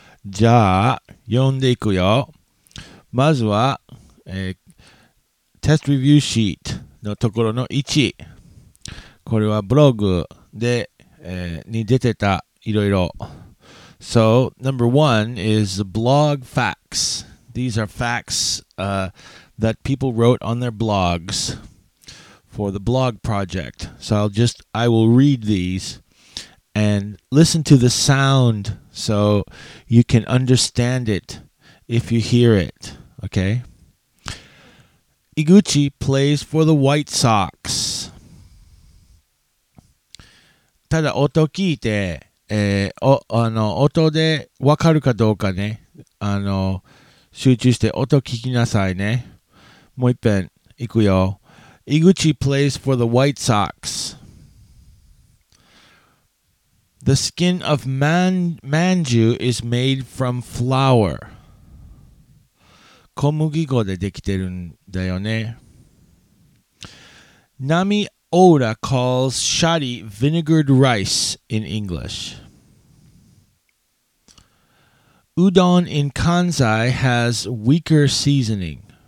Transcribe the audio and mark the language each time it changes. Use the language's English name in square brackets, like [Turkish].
[Japanese] じゃあ、読んでいくよ。まずは、テストレビューシート。のところの1、これはブログで、に出てたいろいろ。 [English] So number one is blog facts. These are facts that people wrote on their blogs for the blog project. So I will read these and listen to the sound so you can understand it if you hear it. Okay. Iguchi plays for the White Sox. [Japanese] ただ音聞いて、音でわかるかどうかね、集中して音聞きなさいね。もう一遍いくよ。 [English] Iguchi plays for the White Sox. The skin of manju is made from flour. [Japanese] 小麦粉でできてるんだよね。 [English] Nami Oda calls shari vinegared rice in English. Udon in Kansai has weaker seasoning.